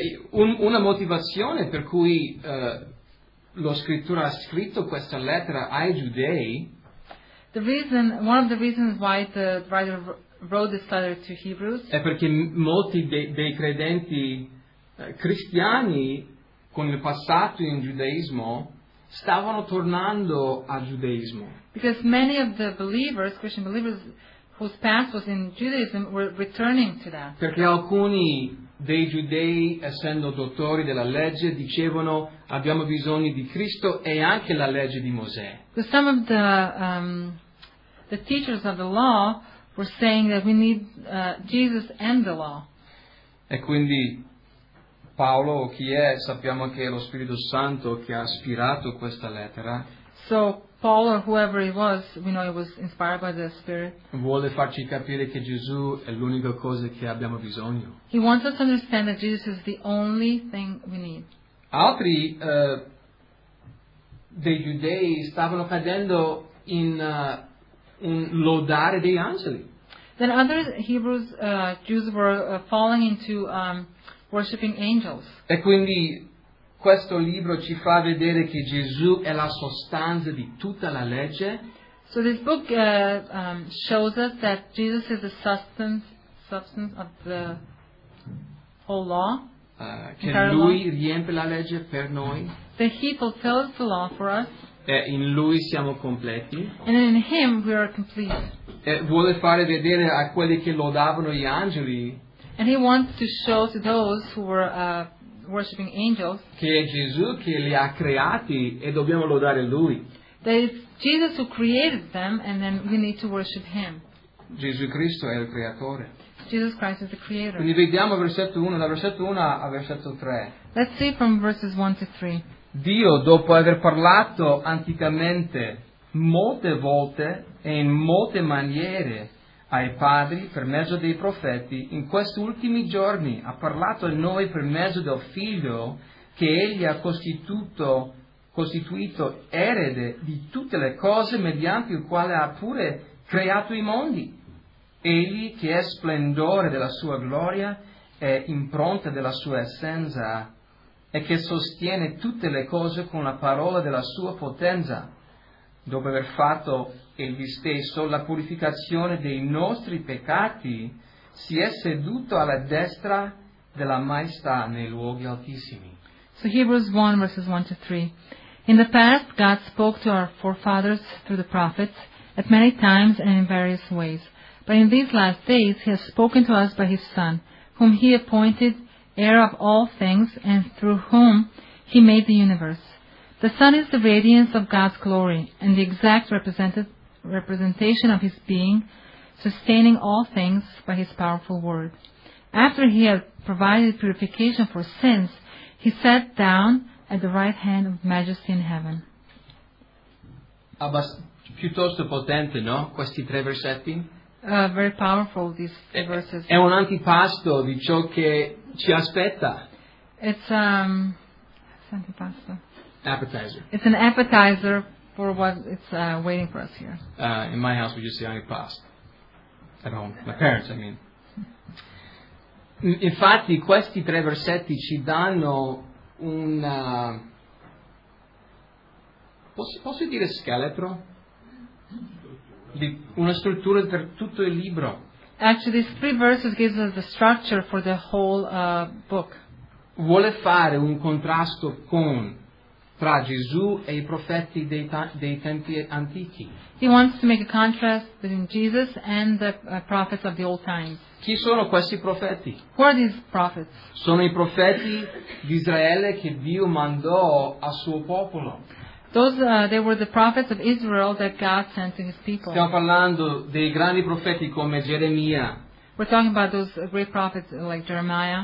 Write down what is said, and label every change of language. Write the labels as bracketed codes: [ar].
[it] Una motivazione per cui lo scrittore ha scritto questa lettera ai giudei. [en] One of the reasons why the writer wrote this letter to Hebrews. [it] È perché molti dei credenti cristiani con il passato in giudaismo stavano tornando al giudaismo. [en] Because many of the believers, Christian believers, whose past was in Judaism were returning to that. [it] Perché alcuni dei giudei, essendo dottori della legge, dicevano abbiamo bisogno di Cristo e anche la legge di Mosè. [en] So some of the teachers of the law were saying that we need Jesus and the law. [it] E quindi Paolo, o chi è, sappiamo che è lo Spirito Santo che ha ispirato questa lettera. [en] So Paul or whoever he was, we know he was inspired by the Spirit. [it] Vuole farci capire che Gesù è l'unica cosa che abbiamo bisogno. [en] He wants us to understand that Jesus is the only thing we need. [it] Altri dei giudei stavano cadendo in un lodare degli angeli. [en] Then other Hebrews Jews were falling into worshiping angels. [it] E quindi questo libro ci fa vedere che Gesù è la sostanza di tutta la legge. [en] So this book shows us that Jesus is the substance of the whole law. [it] Che lui riempie la legge per noi. [en] That he fulfills the law for us. [it] E in lui siamo completi. [en] And in him we are complete. [it] E vuole fare vedere a quelli che lodavano gli angeli. [en] And he wants to show to those who were worshiping angels [it] che è Gesù che li ha creati e dobbiamo lodare lui. [en] that it's Jesus who created them, and then we need to worship Him. [it] Gesù Cristo è il creatore. [en] Jesus Christ is the creator. [it] Quindi vediamo versetto 1, da versetto 1 a versetto 3. [en] Let's see from verses 1 to 3. [it] Dio, dopo aver parlato anticamente molte volte e in molte maniere ai padri per mezzo dei profeti, in questi ultimi giorni ha parlato a noi per mezzo del Figlio che Egli ha costituito erede di tutte le cose, mediante il quale ha pure creato i mondi. Egli, che è splendore della sua gloria e impronta della sua essenza, e che sostiene tutte le cose con la parola della sua potenza, dopo aver fatto egli stesso la purificazione dei nostri peccati, si è seduto alla destra della maestà nei luoghi altissimi. [en] So Hebrews 1 verses 1 to 3. In the past God spoke to our forefathers through the prophets at many times and in various ways. But in these last days He has spoken to us by His Son, whom He appointed heir of all things and through whom He made the universe. The Son is the radiance of God's glory and the exact representation of His being, sustaining all things by His powerful word. After He had provided purification for sins, He sat down at the right hand of majesty in heaven. [it] Piuttosto potente, no? Questi tre versetti. [en] Very powerful, these verses. [it] È un antipasto di ciò che ci aspetta. [en] It's an appetizer for what it's waiting for us here. In my house, we just say antipasto. At home, my parents, I mean. [it] Infatti, questi tre versetti ci danno una... Posso dire scheletro? Una struttura per tutto il libro. [en] Actually, these three verses gives us the structure for the whole book. [it] Vuole fare un contrasto tra Gesù e i profeti dei tempi antichi. [en] He wants to make a contrast between Jesus and the prophets of the old times. [it] Chi sono questi profeti? [en] Who are these prophets? [it] Sono i profeti di Israele che Dio mandò al suo popolo. [en] They were the prophets of Israel that God sent to His people. [it] Stiamo parlando dei grandi profeti come Geremia. [en] We're talking about those great prophets like Jeremiah.